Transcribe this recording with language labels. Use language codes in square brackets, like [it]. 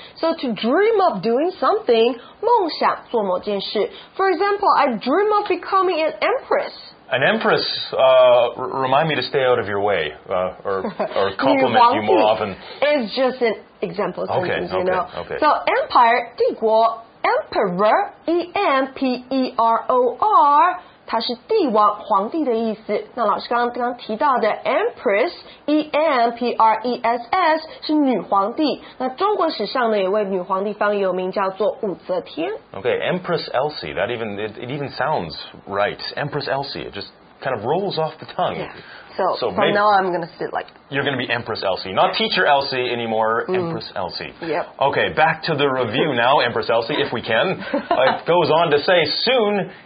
[en] So to dream of doing something, [zh] 梦想做某件事. [en] For example, I dream of becoming an empress. An empress, remind me to stay out of your way, or compliment you more often. It's just an example sentence, okay. [zh] So, empire, 帝国, emperor, E-M-P-E-R-O-R, 它是帝王、皇帝的意思。那老师刚刚提到的 empress, E-M-P-R-E-S-S, 是女皇帝。那中国史上呢，有位女皇帝非常有名，叫做武则天。 [en] Okay, Empress Elsie, that even, it even sounds right. Empress Elsie, it just kind of rolls off the tongue. Yeah. So from now I'm going to sit like... You're going to be Empress Elsie, not Teacher Elsie anymore, Empress Elsie. Yep. Okay, back to the review now, Empress Elsie, if we can. It goes on to say, soon...